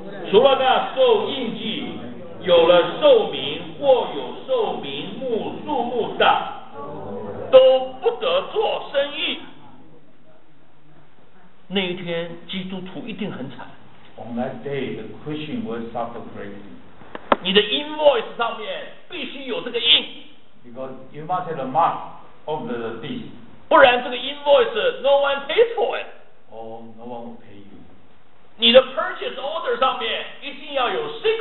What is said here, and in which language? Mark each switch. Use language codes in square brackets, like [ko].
[zh] 除了那兽印记，有了兽名或有兽名目数目的，都不得做生意。那一天基督徒一定很惨。 [en] On that day, the Christian will suffer greatly. [zh] 你的 invoice 上面必须有这个印。 [en] Because you must have the mark of the beast. 不然这个 invoice no one pays for it. Or no one will pay you. [zh] 你的 purchase order 上面一定要有666。